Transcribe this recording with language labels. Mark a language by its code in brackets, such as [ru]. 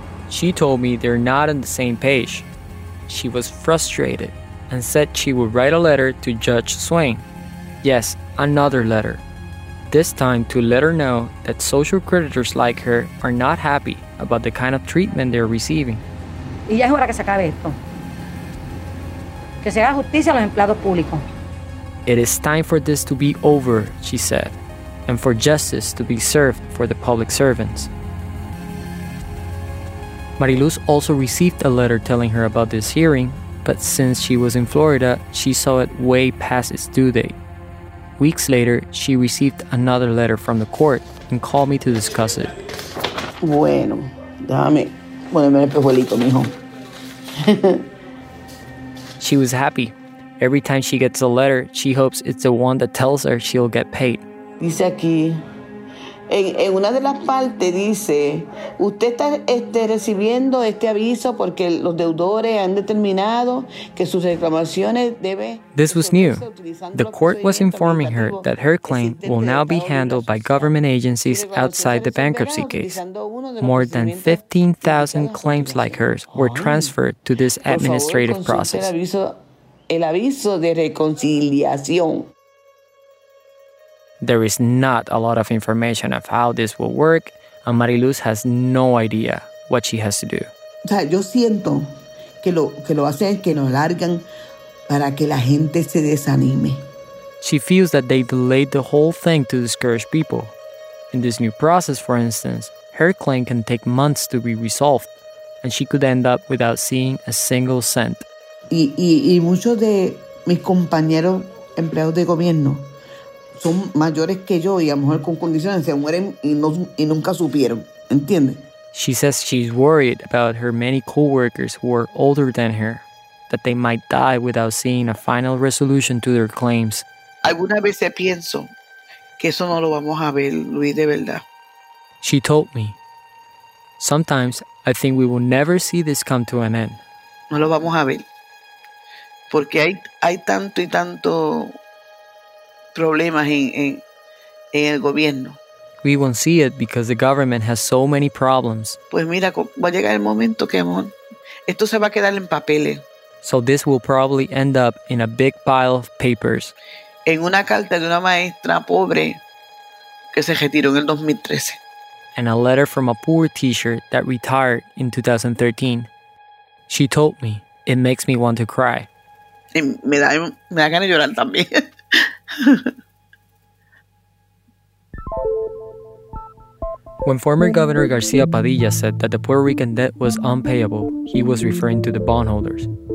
[en] She told me they're not on the same page. She was frustrated and said she would write a letter to Judge Swain. Yes, another letter. This time to let her know that social creditors like her are not happy about the kind of treatment they're receiving. [es] Y ya es hora que se acabe esto. Que se haga justicia a los empleados públicos. [en] It is time for this to be over, she said, and for justice to be served for the public servants. Mariluz also received a letter telling her about this hearing, but since she was in Florida, she saw it way past its due date. Weeks later, she received another letter from the court and called me to discuss it. [es] Bueno, déjame ponerme el pejuelito, mijo. [en] She was happy. Every time she gets a letter, she hopes it's the one that tells her she'll get paid. [es] Dice aquí, en una de las partes dice, usted está recibiendo este aviso porque los deudores han determinado que sus reclamaciones debe... [en] This was new. The court was informing her that her claim will now be handled by government agencies outside the bankruptcy case. More than 15,000 claims like hers were transferred to this administrative process. [es] El aviso de reconciliación. [en] There is not a lot of information of how this will work, and Mariluz has no idea what she has to do. [es] O sea, yo siento que lo hacen que nos largan para que la gente se desanime. [en] She feels that they delayed the whole thing to discourage people. In this new process, for instance, her claim can take months to be resolved, and she could end up without seeing a single cent. [es] Y muchos de mis compañeros empleados de gobierno son mayores que yo y a lo mejor con condiciones se mueren y nunca supieron, ¿entiendes? [en] She says she's worried about her many co-workers who are older than her, that they might die without seeing a final resolution to their claims. [es] Algunas veces pienso que eso no lo vamos a ver, Luis, de verdad. [en] She told me, sometimes I think we will never see this come to an end. [es] No lo vamos a ver. Porque hay tanto y tanto problemas en el gobierno. [en] We won't see it because the government has so many problems. [es] Pues mira, va a llegar el momento que esto se va a quedar en papeles. [en] So this will probably end up in a big pile of papers. [es] En una carta de una maestra pobre que se retiró en el 2013. [en] And a letter from a poor teacher that retired in 2013. She told me, it makes me want to cry. [es] Y me da ganas de llorar también. [en] When former Governor García Padilla said that the Puerto Rican debt was unpayable, he was referring to the bondholders.